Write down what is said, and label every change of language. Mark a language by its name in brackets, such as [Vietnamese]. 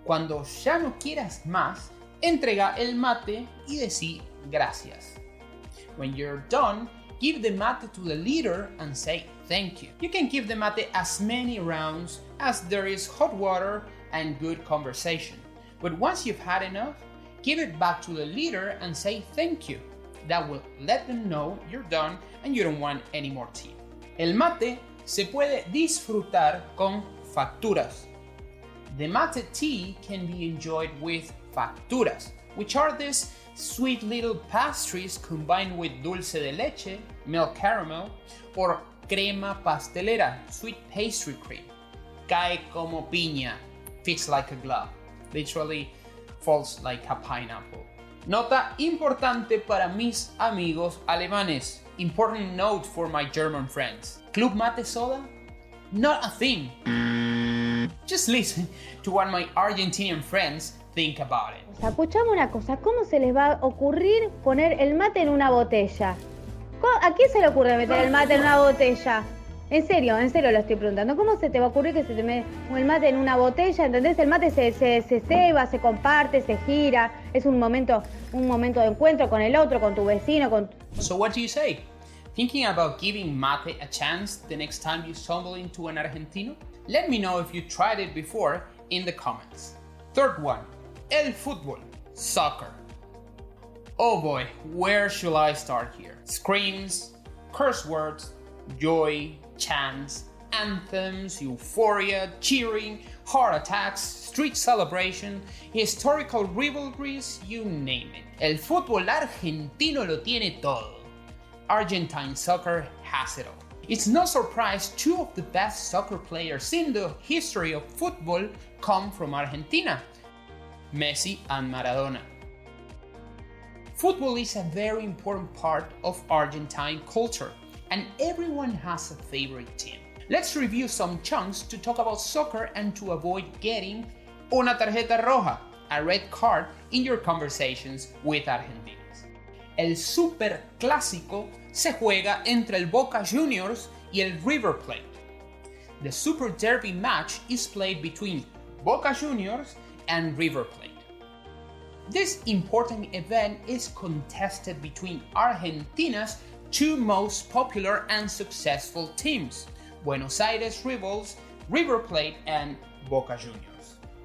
[Spanish] Cuando ya no quieras más, entrega el mate y decí gracias. [English] When you're done, give the mate to the leader and say thank you. You can give the mate as many rounds as there is hot water and good conversation. But once you've had enough, give it back to the leader and say thank you. That will let them know you're done and you don't want any more tea. [Spanish] El mate se puede disfrutar con facturas. [English] The mate tea can be enjoyed with facturas, which are these sweet little pastries combined with dulce de leche, milk caramel, or crema pastelera, sweet pastry cream. [Spanish] Cae como piña, [English] fits like a glove, literally falls like a pineapple. [Spanish] Nota importante para mis amigos alemanes. [English] Important note for my German friends. Club mate soda? Not a thing. Just listen to what my Argentinian friends think about it. [Spanish] Pues escuchame una cosa, ¿cómo se les va a ocurrir poner el mate en una botella? ¿A quién se le ocurre meter el mate en una botella? En serio lo estoy preguntando. ¿Cómo se te va a ocurrir que se te mete el mate en una botella? ¿Entendés? El mate se ceba, se comparte, se gira. Es un momento de encuentro con el otro, con tu vecino. [English] So what do you say? Thinking about giving mate a chance the next time you stumble into an Argentino? Let me know if you tried it before in the comments. Third one, el fútbol, soccer. Oh boy, where shall I start here? Screams, curse words, joy, chants, anthems, euphoria, cheering, heart attacks, street celebration, historical rivalries, you name it. [Spanish] El fútbol argentino lo tiene todo. [English] Argentine soccer has it all. It's no surprise two of the best soccer players in the history of football come from Argentina, Messi and Maradona. Football is a very important part of Argentine culture, and everyone has a favorite team. Let's review some chunks to talk about soccer and to avoid getting [Spanish] una tarjeta roja, [English] a red card, in your conversations with Argentinos. [Spanish] El Super Clásico se juega entre el Boca Juniors y el River Plate. [English] The Super Derby match is played between Boca Juniors and River Plate. This important event is contested between Argentina's two most popular and successful teams, Buenos Aires Rebels, River Plate and Boca Juniors.